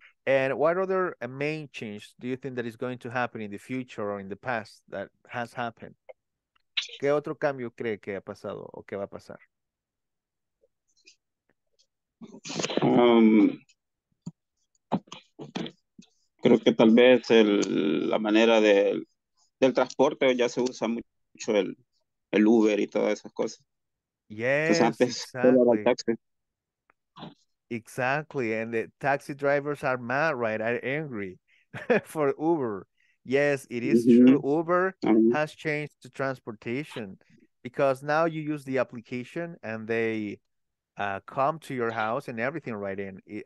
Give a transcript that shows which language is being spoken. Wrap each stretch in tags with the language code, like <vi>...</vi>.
<en>And what other main change do you think that is going to happen in the future or in the past that has happened?</en> <es>¿Qué otro cambio cree que ha pasado o que va a pasar? Creo que tal vez la manera del transporte ya se usa mucho el Uber y todas esas cosas.</es> <en>Yes,</en> <es>antes,</es> <en>exactly. Exactly, and the taxi drivers are mad, right? Are angry for Uber. Yes, it is mm-hmm. true. Uber mm-hmm. has changed to transportation because now you use the application and they come to your house and everything right in.</en>